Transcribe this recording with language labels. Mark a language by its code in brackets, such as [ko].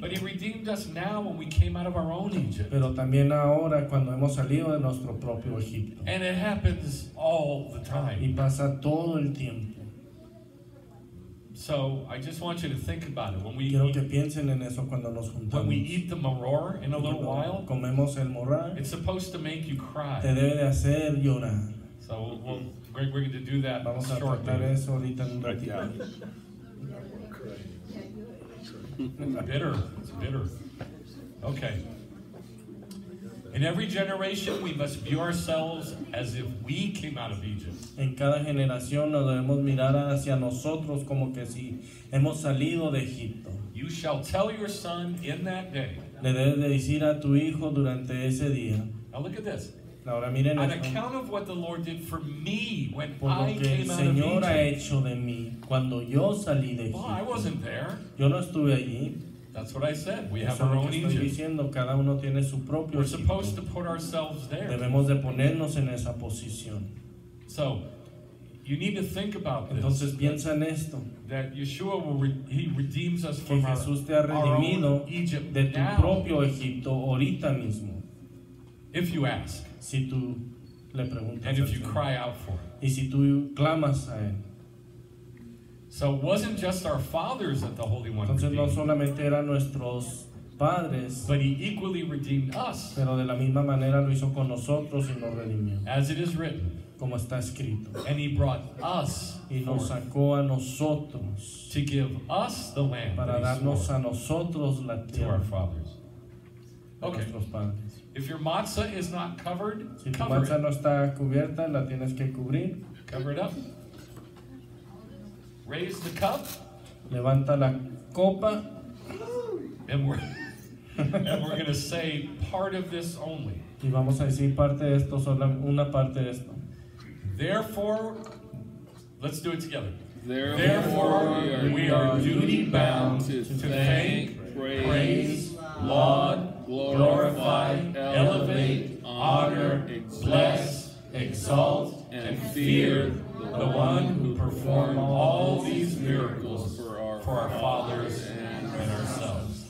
[en] But he redeemed us now when we came out of our own Egypt. [es] Pero también ahora cuando hemos salido de nuestro propio Egipto. [en] And it happens all the time. [es] Y pasa todo el tiempo. [en] So I just want you to think about it. When we [es] quiero que piensen en eso cuando nos juntamos. [en] When we eat the maror in a little while. [es] Comemos el morar. [en] It's supposed to make you cry. [es] Te debe de hacer llorar. [en] So we're going to do that. [es] Vamos [en] shortly. [es] A tratar eso ahorita en un ratito. [en] It's bitter. Okay. In every generation, we must view ourselves as if we came out of Egypt. [es] En cada generación, nos debemos mirar hacia nosotros como que si hemos salido de Egipto. [en] You shall tell your son in that day. [es] Le debes de decir a tu hijo durante ese día. [en] Now look at this. [es] Ahora miren esto. [en] On account of what the Lord did for me when I came out of Egypt. [es] Por lo que el Señor ha hecho de mí cuando yo salí de Egipto. [en] Well, I wasn't there. [es] Yo no estuve allí. [en] That's what I said. We have our own Egypt. [es] Diciendo, cada uno tiene su propio Egipto. [en] We're supposed to put ourselves there. [es] Debemos de ponernos en esa posición. [en] So, you need to think about this. [es] Entonces piensa en esto. [en] That Yeshua he redeems us from our own Egypt. [es] De tu propio Egipto ahorita mismo. [en] If you ask. [es] Si tú le preguntas. [en] And if you cry out for it. [es] Y si tú clamas a él. [en] So it wasn't just our fathers that the Holy One [es] entonces, [en] redeemed. [es] No solamente eran nuestros padres, [en] but he equally redeemed us. [es] Pero de la misma manera lo hizo con nosotros y nos redimió. [en] As it is written. [es] Como está escrito. [en] And he brought us. [es] Y nos sacó a nosotros. [en] To give us the land. [es] Para darnos a nosotros la tierra. [en] To our fathers. Okay. If your matzah is not covered, [es] si tu matzah no está cubierta, la tienes que cubrir. [en] Cover it up. Raise the cup. [es] Levanta la copa. [en] And we're going to say part of this only. [es] Y vamos a decir parte de esto, solo una parte de esto. [en] Therefore, let's do it together. Therefore, we are duty bound to thank, praise, laud, glorify, elevate, honor, bless, exalt, and fear the one who performed all these miracles for our fathers and ourselves.